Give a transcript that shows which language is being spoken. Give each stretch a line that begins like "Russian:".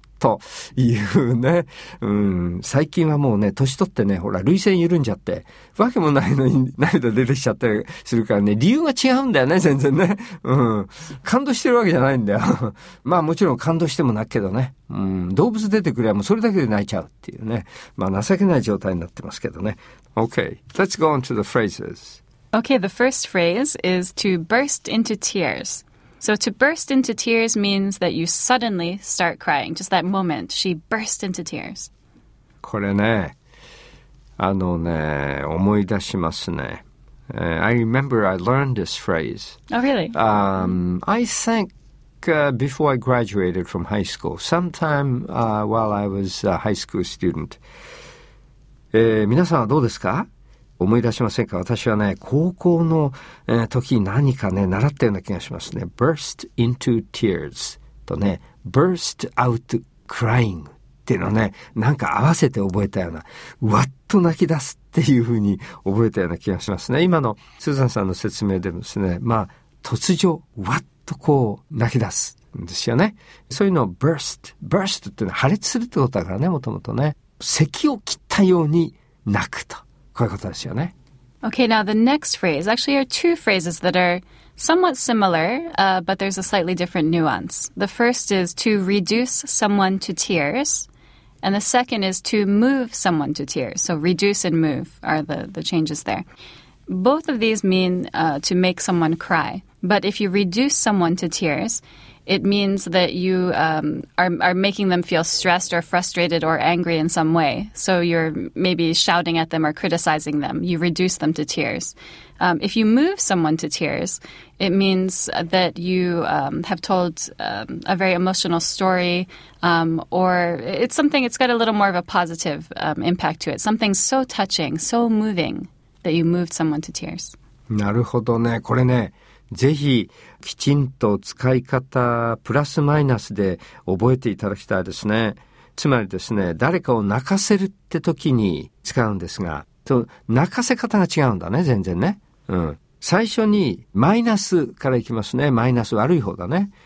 Japanese: というね、最近はもうね、年取ってね、ほら、涙腺緩んじゃって、わけもないのに涙出てきちゃったりするからね、理由が違うんだよね、全然ね。感動してるわけじゃないんだよ。まあもちろん感動しても泣くけどね、動物出てくればもうそれだけで泣いちゃうっていうね、まあ情けない状態になってますけどね。
English: Okay, let's go on to the phrases. Okay, the first phrase is to burst into tears. So to burst into tears means that you suddenly start crying. Just that moment, she burst into tears.
Japanese: これね、あのね、思い出しますね。
English: I remember I learned this phrase. Oh, really? I think before I graduated from high school, sometime while I was a high school student.
Japanese: 皆さんはどうですか?思い出しませんか? 私はね、高校の、時に何かね、習ったような気がしますね。
English: burst into tears
Japanese: とね、
English: burst out crying
Japanese: っていうのね、なんか合わせて覚えたような、わっと泣き出すっていうふうに覚えたような気がしますね。今のスーザンさんの説明でもですね、まあ、突如、わっとこう泣き出すんですよね。そういうのを burst っていうのは破裂するってことだからね、もともとね。咳を切ったように泣くと。こういうことですよね。
English: Okay, now the next phrase. Actually, are two phrases that are somewhat similar, but there's a slightly different nuance. The first is to reduce someone to tears, and the second is to move someone to tears. So reduce and move are the changes there. Both of these mean to make someone cry. But if you reduce someone to tears, it means that you are making them feel stressed or frustrated or angry in some way. So you're maybe shouting at them or criticizing them. You reduce them to tears. If you move someone to tears, it means that you have told a very emotional story or it's something, it's got a little more of a positive impact to it. Something so touching, so moving that you moved someone to tears.
Japanese: なるほどね。これね。ぜひきちんと使い方プラスマイナスで覚えていただきたいですね。つまりですね、誰かを泣かせるって時に使うんですが、と泣かせ方が違うんだね、全然ね。最初にマイナスからいきますね。マイナス悪い方だね。